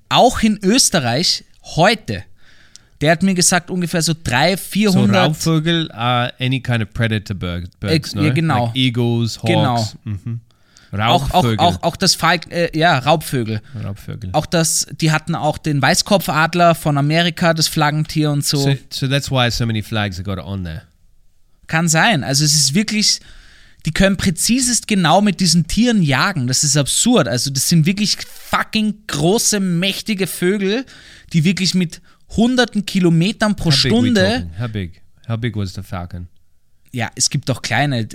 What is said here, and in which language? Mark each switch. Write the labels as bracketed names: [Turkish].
[German] Auch in Österreich heute. Der hat mir gesagt, ungefähr so 300, 400... [English] So Raubvögel are any kind of predator birds, no? [German] Ja, genau. [English] Like Eagles, Hawks. [German] Genau. Raubvögel. Auch das Falk, ja, Raubvögel. Raubvögel. Auch das, die hatten auch den Weißkopfadler von Amerika, das Flaggentier und so. [English] So that's why so many flags are got on there. [German] Kann sein. Also es ist wirklich, die können präzisest genau mit diesen Tieren jagen. Das ist absurd. Also das sind wirklich fucking große, mächtige Vögel, die wirklich mit hunderten Kilometern pro Stunde. [English] How big was the falcon? [German] Ja, es gibt auch kleine.